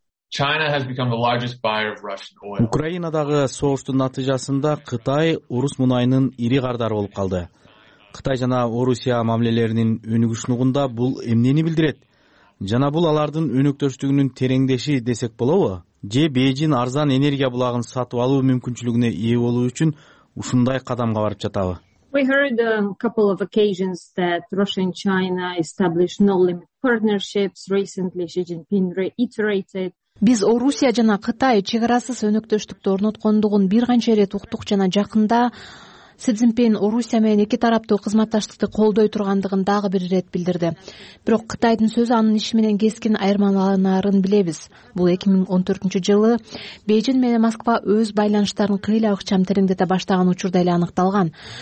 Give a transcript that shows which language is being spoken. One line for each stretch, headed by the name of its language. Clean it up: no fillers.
English: China has become the largest buyer of Russian oil.
Kyrgyz: Украинадагы согуштун натыйжасында Кытай орус мунайынын ири кардары болуп калды. Кытай жана Орусия мамилелеринин өнүгүшүнүгүндө бул эмнени билдирет? Жана бул алардын өнөктөштүгүнүн тереңдеши десек болобу? Же Бейжин арзан энергия булагын сатып алуу мүмкүнчүлүгүнө ээ болуу үчүн ушундай кадамга барып жатабы?
English: We heard a couple of occasions that Russia and China established no-limit partnerships. Recently, Xi Jinping reiterated.
Kyrgyz: Биз Орусия жана Кытай чек арасыз өнөктөштүктү орноткондугун бир канча ирет уктук жана жакында Си Цзиньпин Орусия менен эки тараптуу кызматташтыкты колдой тургандыгын дагы бир ирет билдирди. Бирок Кытайдын сөзү анын иши менен кескин айырмаланарын билебиз. Бул 2014 жылы Бейжин менен Москва өз байланыштарын кыйла ыкчам тереңдете баштаган учурда эле аныкталган.